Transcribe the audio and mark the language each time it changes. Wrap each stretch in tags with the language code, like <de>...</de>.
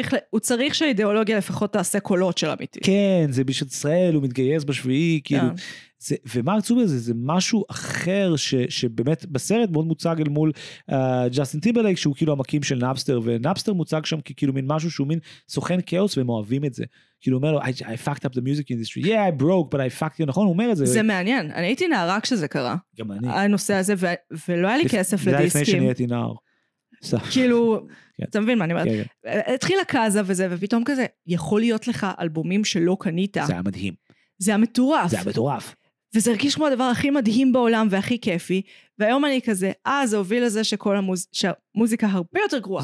<he>הוא צריך שהאידיאולוגיה לפחות תעשה קולות של אמיתי. כן, זה בשביל ישראל, הוא מתגייס בשביעי, כאילו. זה, ומה עצוב בזה? זה משהו אחר שבאמת בסרט מאוד מוצג אל מול ג'סטין טימברלייק, שהוא כאילו המקים של נאפסטר, ונאפסטר מוצג שם ככאילו מין משהו שהוא מין סוכן כאוס, והם אוהבים את זה. כאילו אומר לו,</he> <en>I fucked up the music industry. Yeah, I broke, but I fucked you.</en> <he>נכון, הוא אומר את זה. זה מעניין. אני הייתי נערה כשזה קרה. גם אני. הנושא הזה, ולא היה לי כסף לדיסקים. זה לפני שאני הייתי נער. כאילו, אתה מבין מה אני אומרת? התחיל הקאזה וזה, ופתאום כזה, יכול להיות לך אלבומים שלא קנית. זה היה מדהים. זה היה מטורף. זה היה מטורף. וזה הרגיש כמו הדבר הכי מדהים בעולם והכי כיפי, והיום אני כזה, זה הוביל לזה שכל שהמוזיקה הרבה יותר גרועה.</he>